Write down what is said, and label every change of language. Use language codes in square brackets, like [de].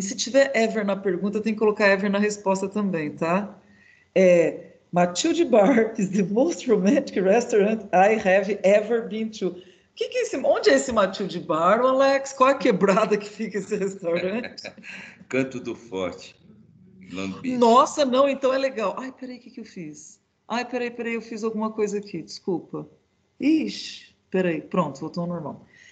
[pt] Se tiver ever na pergunta, tem que colocar ever na resposta também, tá? [en] É, Matilde Bar is the most romantic restaurant I have ever been to. [pt] Que é esse, onde é esse Matilde Bar, Alex? Qual a quebrada que fica esse restaurante? Canto do Forte. Long Beach. Nossa, não, então é legal. Ai, peraí, o que eu fiz? Ai, peraí, eu fiz alguma coisa aqui, desculpa. Ixi, peraí, pronto, voltou ao normal.